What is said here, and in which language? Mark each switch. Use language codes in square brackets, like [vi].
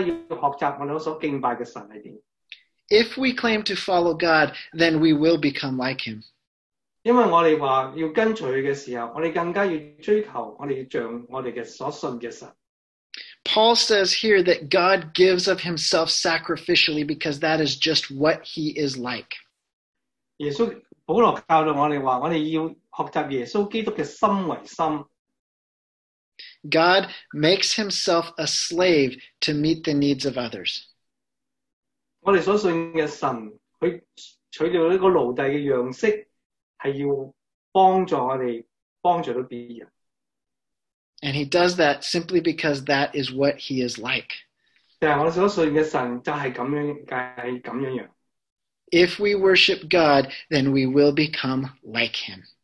[zh] 就是我们要学习，当我们敬拜我们的神的时候，我们更加要学习我们所敬拜的神是怎样。 [en] If we claim to follow God, then we will become like him. [zh] 因为我们说要跟随他的时候，我们更加要追求我们像我们所信的神。 [en] Paul says here that God gives of himself sacrificially because that is just what he is like. [zh] 耶稣，保罗教导我们说，我们要学习耶稣基督的心为心。 [en] God makes himself a slave to meet the needs of others. [zh] 我们所信的神，他取了一个奴隶的样式。是要帮助我们，帮助到别人。 [en] And he does that simply because that is what he is like. [zh] 我们所信的神就是这样。 [en] If we worship God, then we will become like him.